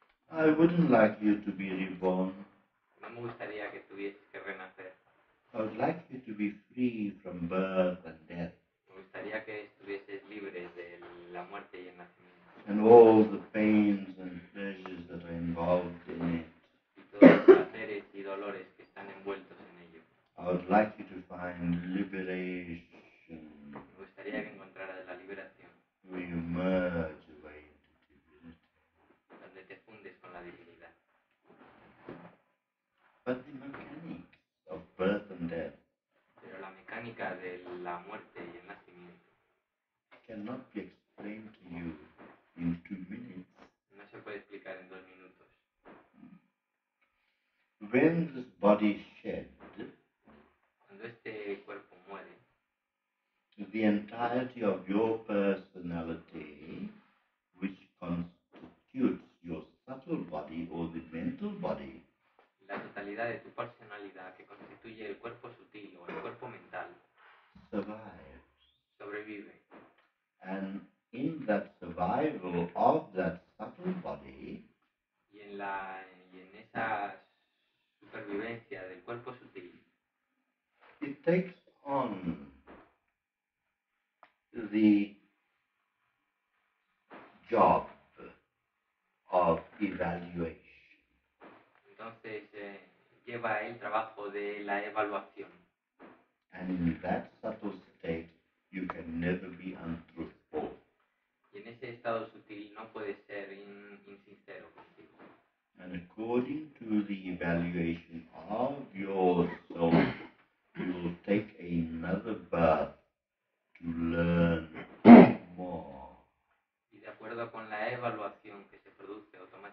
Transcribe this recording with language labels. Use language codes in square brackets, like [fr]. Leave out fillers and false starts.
[en] I wouldn't like you to be reborn. [es] No me gustaría que tuvieses que renacer. [en] I would like you to be free from birth and death. [es] Me gustaría que estuvieses libre de la muerte y el nacimiento. [en] And all the pains and pleasures that are involved in it. [es] Y todos los placeres y dolores que están envueltos en ello. [en] I would like you to find liberation. [es] Me gustaría que encontraras la liberación. [en] Where you merge away into divinity. [es] Donde te fundes con la divinidad. [en] But the mechanics of birth and death. [es] Pero la mecánica de la muerte y el nacimiento. [en] Cannot be explained to you in 2 minutes. [es] No se puede explicar en 2 minutos. [en] When this body is shed. [es] Cuando este cuerpo muere. [en] The entirety of your personality, which constitutes your subtle body or the mental body, [es] la totalidad de tu personalidad que constituye el cuerpo sutil o el cuerpo mental, [en] survives, [es] sobrevive, [en] and in that survival of that subtle body, [es] y en esa supervivencia del cuerpo sutil, [en] it takes on the job of evaluation. [es] Entonces, lleva el trabajo de la evaluación. [en] And in that subtle state, you can never be untruthful. [es] Y en ese estado sutil no puedes ser insincero contigo. [en] And according to the evaluation of your soul, you will take another birth. Learn more. [es] Y de acuerdo con la evaluación que se produce o